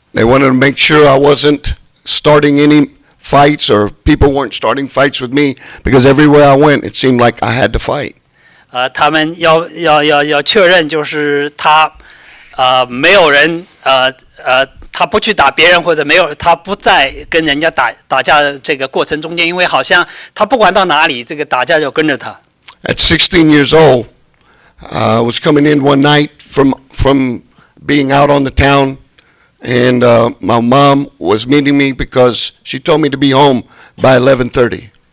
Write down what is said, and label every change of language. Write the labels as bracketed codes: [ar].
[en] They wanted to make sure I wasn't starting any fights or people weren't starting fights with me because everywhere I went, it seemed like I had to fight. [zh] 他们要确认就是他没有人，他不去打别人或者没有他不在跟人家打架这个过程中间，因为好像他不管到哪里，这个打架就跟着他。 [en] At 16 years old, I was coming in one night from being out on the town, and my mom was meeting me because she told me to be home by 11:30.